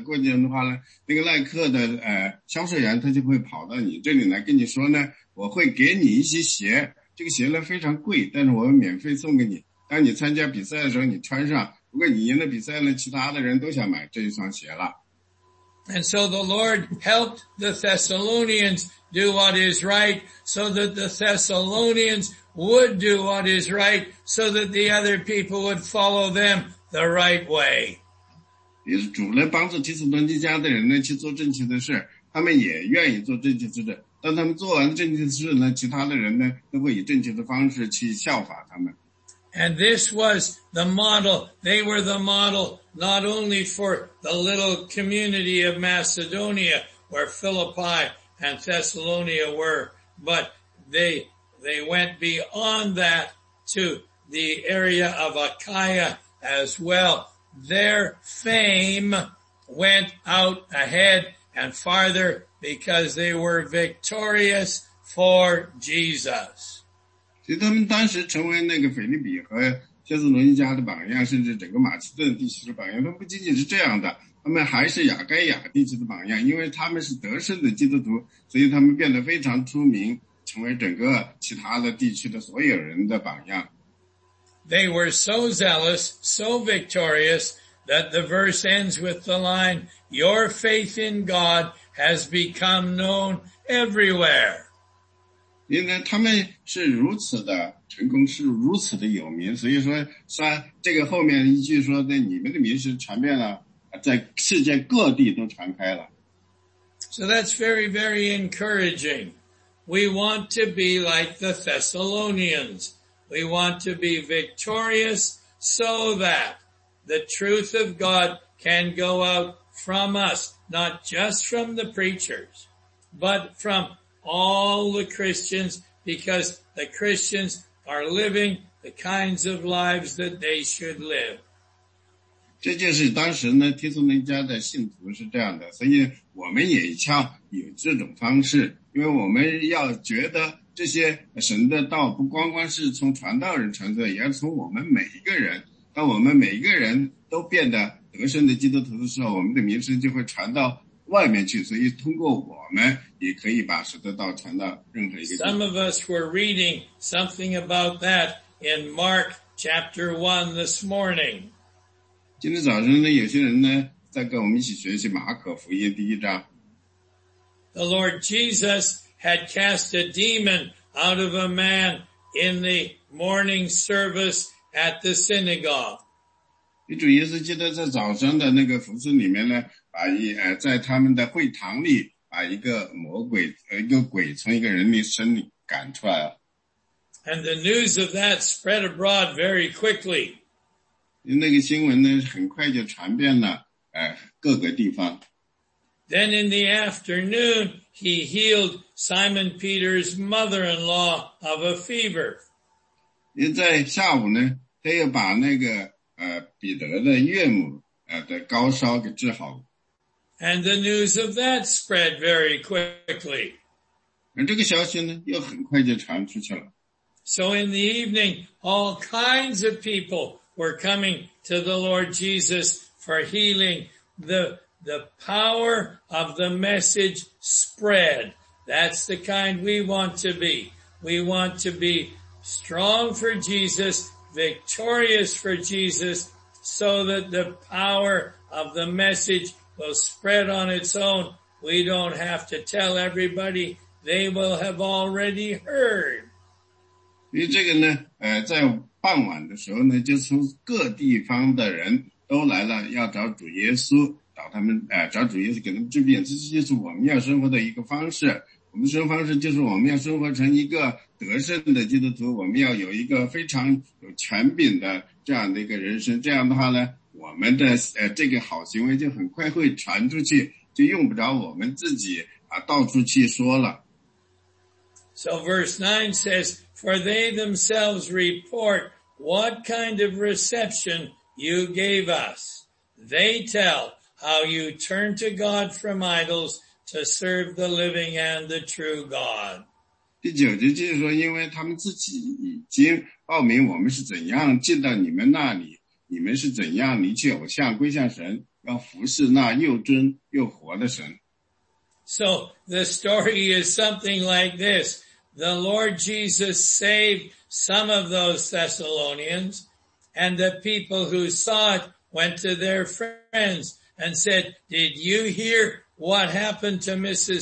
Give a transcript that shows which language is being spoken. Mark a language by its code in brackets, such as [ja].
[zh] 如果你是一个很好的跑步运动员，你经常得冠军的话呢，那个耐克的销售员他就会跑到你这里来跟你说呢，我会给你一些鞋，这个鞋呢非常贵，但是我们免费送给你。当你参加比赛的时候，你穿上。如果你赢了比赛呢，其他的人都想买这一双鞋了。 [en] And so the Lord helped the Thessalonians do what is right, so that the Thessalonians would do what is right, so that the other people would follow them the right way. [zh] 也是主呢帮助提斯顿家的人呢去做正确的事，他们也愿意做正确之事。当他们做完正确之事呢，其他的人呢都会以正确的方式去效法他们。 [en] And this was the model. They were the model not only for the little community of Macedonia where Philippi and Thessalonica were, but they went beyond that to the area of Achaia as well. Their fame went out ahead and farther because they were victorious for Jesus. [zh] So, 他们当时成为那个腓立比和帖撒罗尼迦的榜样，甚至整个马其顿地区的榜样。他们不仅仅是这样的，他们还是亚该亚地区的榜样，因为他们是得胜的基督徒，所以他们变得非常出名，成为整个其他的地区的所有人的榜样。 [en] They were so zealous, so victorious, that the verse ends with the line, "Your faith in God has become known everywhere." [zh] 因为他们是如此的成功，是如此的有名，所以说说这个后面一句说的，你们的名声传遍了，在世界各地都传开了。 [en] So that's very, very encouraging. We want to be like the Thessalonians. We want to be victorious so that the truth of God can go out from us, not just from the preachers, but from all the Christians, because the Christians are living the kinds of lives that they should live. [zh] 这就是当时呢，提斯门家的信徒是这样的，所以我们也像有这种方式，因为我们要觉得这些神的道不光光是从传道人传出来，也是从我们每一个人。当我们每一个人都变得得胜的基督徒的时候，我们的名声就会传到外面去。所以，通过我们也可以把神的道传到任何一个地方。 [en] Some of us were reading something about that in Mark chapter 1 this morning. [zh] 今天早上呢，有些人呢在跟我们一起学习马可福音第一章。 [en] The Lord Jesus. Had cast a demon out of a man in the morning service at the synagogue. [zh] 你主耶稣记得在早上的那个服事里面呢，把一在他们的会堂里把一个魔鬼一个鬼从一个人的身里赶出来了。 [en] And the news of that spread abroad very quickly. [zh] 那个新闻呢，很快就传遍了各个地方。 [en] Then in the afternoon, he healed Simon Peter's mother-in-law of a fever. [zh] 在下午呢，他又把那个彼得的岳母的高烧给治好了。 [en] And the news of that spread very quickly. [zh] 这个消息呢，又很快就传出去了。 [en] So in the evening, all kinds of people were coming to the Lord Jesus for healing. The power of the message spread. That's the kind we want to be. We want to be strong for Jesus, victorious for Jesus, so that the power of the message will spread on its own. We don't have to tell everybody. They will have already heard. [zh] 因为这个呢在傍晚的时候呢就从各地方的人都来了要找主耶稣。找他们找主耶稣给他们治病，这就是我们要生活的一个方式。我们生活方式就是我们要生活成一个得胜的基督徒，我们要有一个非常有权柄的这样的一个人生。这样的话呢，我们的这个好行为就很快会传出去，就用不着我们自己到处去说了。 [en] So verse 9 says, "For they themselves report what kind of reception you gave us. They tell." How you turn to God from idols to serve the living and the true God. [zh] 第九节就是说，因为他们自己已经报名，我们是怎样进到你们那里，你们是怎样离弃偶像归向神，要服侍那又真又活的神。 [en] So the story is something like this. the Lord Jesus saved some of those Thessalonians, and the people who saw it went to their friends and said, did you hear what happened to Mrs.